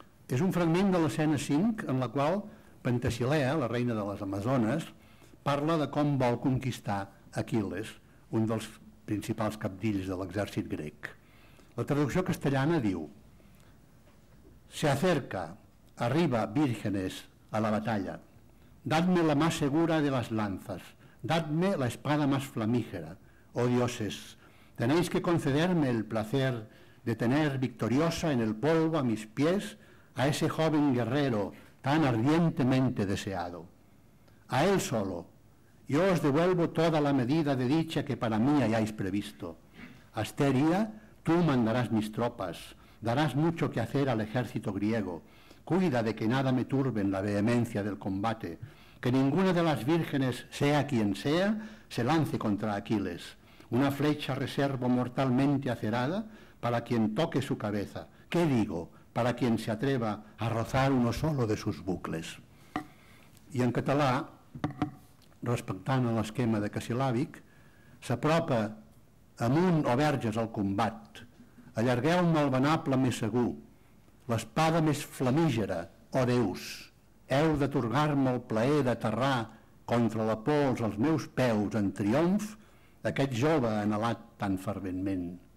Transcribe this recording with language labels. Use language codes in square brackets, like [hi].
[ca] És un fragment de l'escena 5 en la qual Penthesilea, la reina de les Amazones, parla de com vol conquistar Aquil·les, un dels principals cabdills de l'exèrcit grec. La traducció castellana diu: [es] «Se acerca, arriba, vírgenes, a la batalla. Dadme la más segura de las lanzas, dadme la espada más flamígera. Oh dioses, tenéis que concederme el placer de tener victoriosa en el polvo a mis pies a ese joven guerrero tan ardientemente deseado. A él solo, yo os devuelvo toda la medida de dicha que para mí hayáis previsto. Asteria, tú mandarás mis tropas, darás mucho que hacer al ejército griego. Cuida de que nada me turbe en la vehemencia del combate, que ninguna de las vírgenes, sea quien sea, se lance contra Aquiles. Una flecha reservo mortalmente acerada para quien toque su cabeza. ¿Qué digo? Para quien se atreva a rozar uno solo de sus bucles». [ca] I en català, respectant l'esquema de casilàbic, s'apropa amunt o verges al combat. Allargueu-me el venable més segur, l'espada més flamígera, o déus. Heu d'atorgar-me el plaer d'aterrar contra la pols els meus peus en triomf d'aquest jove anhelat tan ferventment.